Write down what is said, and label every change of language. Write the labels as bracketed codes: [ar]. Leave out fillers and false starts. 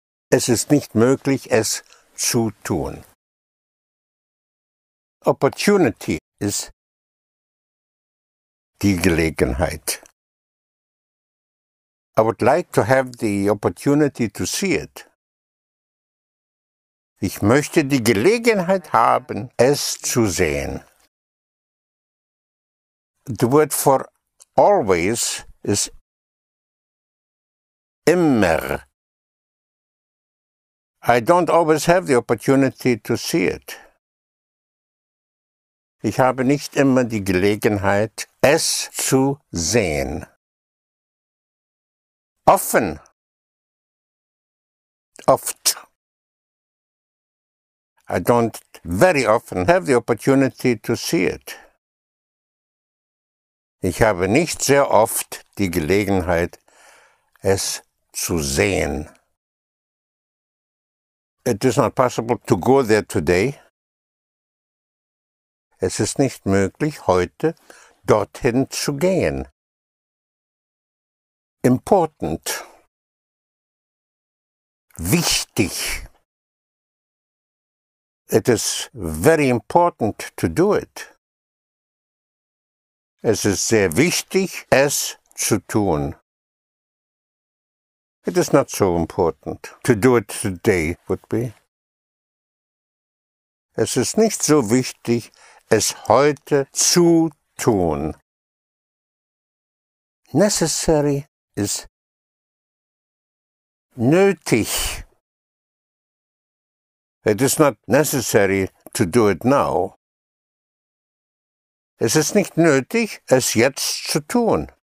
[de] Es ist nicht möglich, es zu tun. [en] Opportunity is [de] die Gelegenheit. [en] I would like to have the opportunity to see it. [de] Ich möchte die Gelegenheit haben, es zu sehen. [en] The word for always is immer. I don't always have the opportunity to see it. [de] Ich habe nicht immer die Gelegenheit, es zu sehen. Often. oft. [en] I don't very often have the opportunity to see it. [de] Ich habe nicht sehr oft die Gelegenheit, es zu sehen. [en] It is not possible to go there today. [de] Es ist nicht möglich, heute dorthin zu gehen. [en] Important. [de] Wichtig. [en] It is very important to do it. [de] Es ist sehr wichtig, es zu tun. [en] It is not so important. To do it today would be. [de] Es ist nicht so wichtig, es heute zu tun. [en] Necessary is nötig. It is not necessary to do it now. [de] Es ist nicht nötig, es jetzt zu tun.